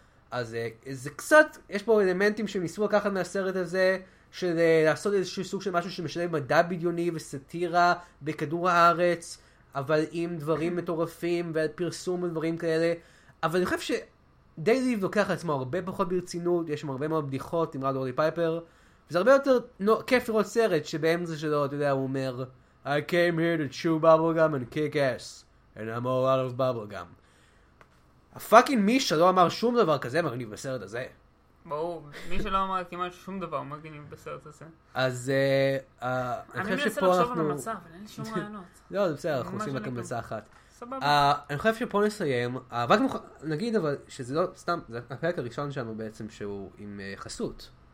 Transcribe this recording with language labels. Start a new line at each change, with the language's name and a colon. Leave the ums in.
Hebrew: אז uh, זה קצת, יש פה אלמנטים שניסו לקחת מהסרט הזה, של uh, לעשות איזשהו סוג של משהו שמשלב מדע בדיוני וסאטירה בכדור הארץ, אבל עם דברים מטורפים ופרסום ודברים כאלה. אבל אני חושב שדייזיב לוקח על עצמו הרבה פחות ברצינות, יש שם הרבה מאוד בדיחות עם ראודי רולי פייפר, וזה הרבה יותר נו, לא, כיף לראות סרט שבאמצע שלו, אתה יודע, הוא אומר...
English: I came here to chew bubblegum and kick ass, and I'm all out of bubblegum.
Hebrew: הפאקינג מישה לא אמר שום דבר כזה מגניב בסרט הזה. ברור, מישה לא אמר כמעט שום דבר מגניב בסרט הזה. אז אני חושב שפה אנחנו... אני מנסה לחשוב על המצב, אין שום רעיונות. לא, בסדר, אנחנו עושים רק המלצה אחת. סבבה. אני חושב שפה נסיים, רק נגיד אבל שזה לא סתם, זה הפרק הראשון שלנו בעצם שהוא עם חסות.